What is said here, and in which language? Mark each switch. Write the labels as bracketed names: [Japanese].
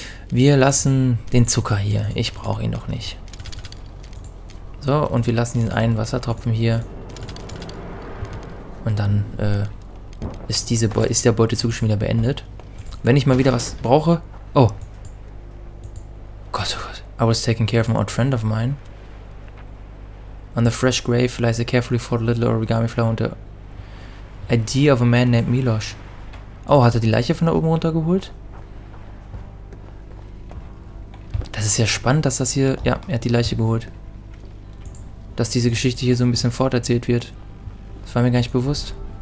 [German] Wir lassen den Zucker hier, ich brauche ihn noch nicht. So, und wir lassen den einen Wassertropfen hier. Und dann ist der Beutezug schon wieder beendet. Wenn ich mal wieder was brauche... Oh! Gott, oh Gott. [English] I was taking care of an old friend of mine. On the fresh grave lies a carefully folded little origami flower and the ID of a man named Milosh. [German] Oh, hat er die Leiche von da oben runtergeholt? Das ist ja spannend, dass das hier... Ja, er hat die Leiche geholt. Dass diese Geschichte hier so ein bisschen forterzählt wird. Das war mir gar nicht bewusst.